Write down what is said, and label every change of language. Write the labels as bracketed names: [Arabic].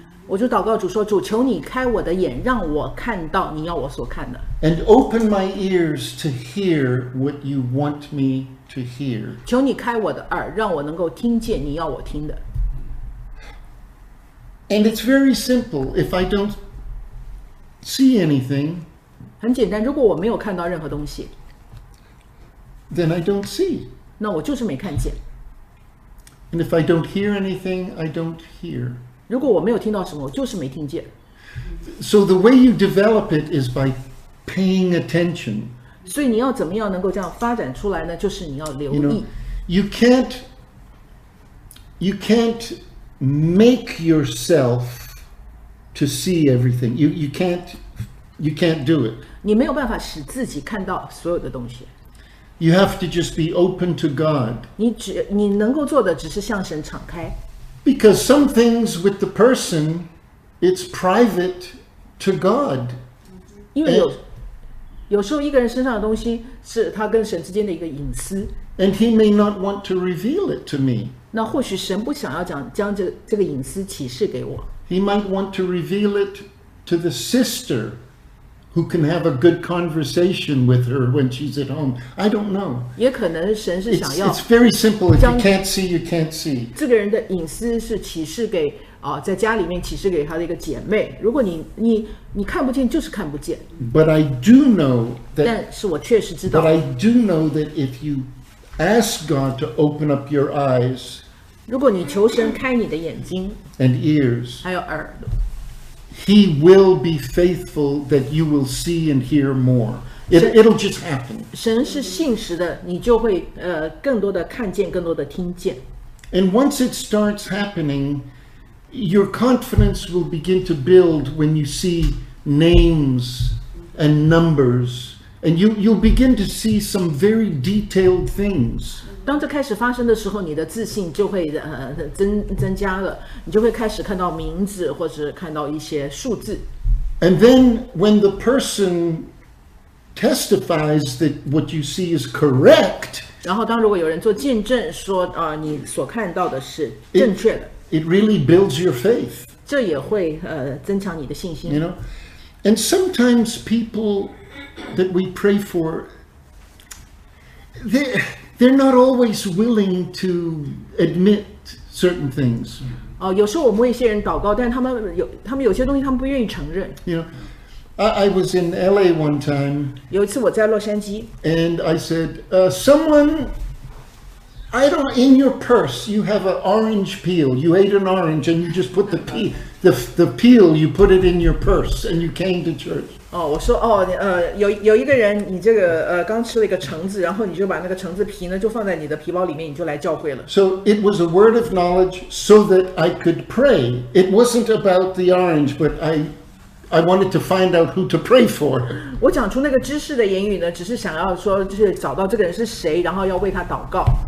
[Chinese] 我就祷告主说，主求你开我的眼，让我看到你要我所看的。 [English] And open my ears to hear what you want me to hear. [Chinese] 求你开我的耳，让我能够听见你要我听的。 [English] And it's very simple. If I don't see anything, [Chinese] 很简单，如果我没有看到任何东西， [English] then I don't see. [Chinese] 那我就是没看见。 [English] And if I don't hear anything, I don't hear. [Chinese] 如果我没有听到什么，我就是没听见。 [English] So the way you develop it is by paying attention. [Chinese] 所以你要怎么样能够这样发展出来呢？就是你要留意。 [English] You know, you can't make yourself to see everything. You can't do it. [Chinese] 你没有办法使自己看到所有的东西。 [English] You have to just be open to God. [Chinese] 你能够做的只是向神敞开。 [English] Because some things with the person, it's private to God. [Chinese] 因为有时候一个人身上的东西是他跟神之间的一个隐私。 [English] And he may not want to reveal it to me. [Chinese] 那或许神不想要将这个隐私启示给我。 [English] He might want to reveal it to the sister. Who can have a good conversation with her when she's at home? I don't know. [Chinese] 也可能神是想要 [English] It's very simple. If you can't see, you can't see. [Chinese] 这个人的隐私是启示给啊，在家里面启示给他的一个姐妹。如果你看不见，就是看不见。 [English] But I do know that. [Chinese] 但是我确实知道。 [English] But I do know that if you ask God to open up your eyes. [Chinese] 如果你求神开你的眼睛。 [English] And ears. [Chinese] 还有耳朵。 [English] He will be faithful that you will see and hear more. It'll just happen. [Chinese] 神是信实的，你就会更多的看见，更多的听见。 [English] And once it starts happening, your confidence will begin to build when you see names and numbers, and you'll begin to see some very detailed things. [Chinese] 当这开始发生的时候，你的自信就会增加了，你就会开始看到名字或者看到一些数字。 [English] And then when the person testifies that what you see is correct. [Chinese] 然后当如果有人做见证说、你所看到的是正确的 [English] it really builds your faith [Chinese] 这也会、增强你的信心 [English] you know? And sometimes people that we pray for they're not always willing to admit certain things、 [Chinese] 有时候我们为一些人祷告但他们有些东西他们不愿意承认 [English] you know? I was in LA one time. [Chinese] 有一次我在洛杉矶。 [English] And I said,、someone, I don't, in your purse, you have an orange peel. You ate an orange and you just put the peel, you put it in your purse and you came to church. [Chinese] 哦，我说哦，有一个人，你这个刚吃了一个橙子，然后你就把那个橙子皮呢，就放在你的皮包里面，你就来教会了。 [English] So it was a word of knowledge so that I could pray. It wasn't about the orange, but I wanted to find out who to pray for. [Chinese] 我讲出那个知识的言语呢，只是想要说，就是找到这个人是谁，然后要为他祷告。